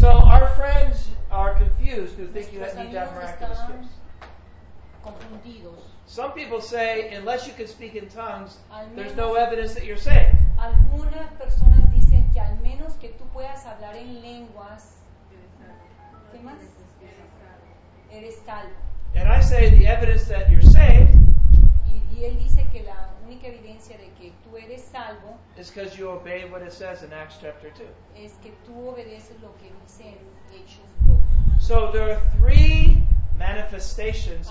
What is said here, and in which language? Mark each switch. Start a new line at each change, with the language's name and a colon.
English: So our friends are confused who think you need that miraculous gift.
Spanish: Confundidos.
English: Some people say, unless you can speak in tongues, there's no evidence that you're saved.
Spanish: Algunas personas dicen que al menos que tú puedas hablar en lenguas, ¿qué más? Eres salvo.
English: And I say the evidence that you're saved,
Spanish: y él dice que la única evidencia de que tú eres salvo
English: is because you obey what it says in Acts chapter 2.
Spanish: Es que tú obedeces lo que dice en Hechos 2.
English: So there are three manifestations